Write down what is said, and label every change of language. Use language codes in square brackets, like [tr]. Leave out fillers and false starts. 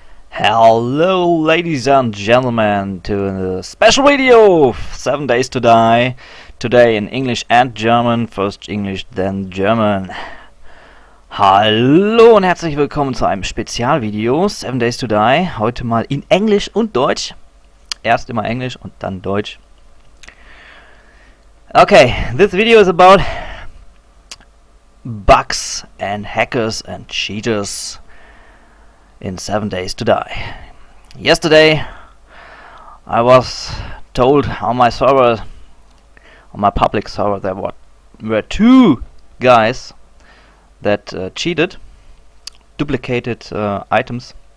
[en] Hello, ladies and gentlemen, to a special video, 7 Days to Die, today in English and German, first English, then German. [de] Hallo und herzlich willkommen zu einem Spezialvideo, 7 Days to Die, heute mal in Englisch und Deutsch. Erst immer Englisch und dann Deutsch. [en] Okay, this video is about bugs and hackers and cheaters. In 7 Days to Die. Yesterday I was told on my server, on my public server, there were two guys that cheated, duplicated items.